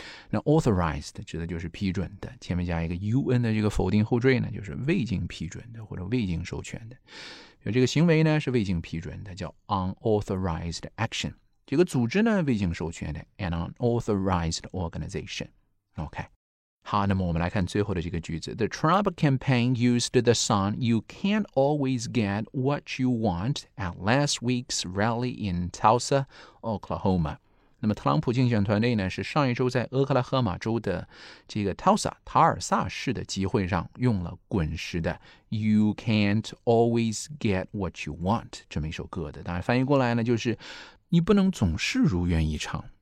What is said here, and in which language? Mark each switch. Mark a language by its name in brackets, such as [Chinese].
[Chinese] 那 authorized 指的就是批准的，前面加一个 un 的这个否定后缀呢，就是未经批准的或者未经授权的。这个行为呢是未经批准的，叫 unauthorized action。这个组织呢未经授权的， [English] an unauthorized organization。 [Chinese] OK，好，那么我们来看最后的这个句子。 [English] The Trump campaign used the song You Can't Always Get What You Want at last week's rally in Tulsa, Oklahoma。 [Chinese] 那么特朗普竞选团队呢，是上一周在俄克拉荷马州的这个 Tulsa 塔尔萨市的集会上用了滚石的 You Can't Always Get What You Want 这么一首歌的。当然翻译过来呢，就是你不能总是如愿以偿。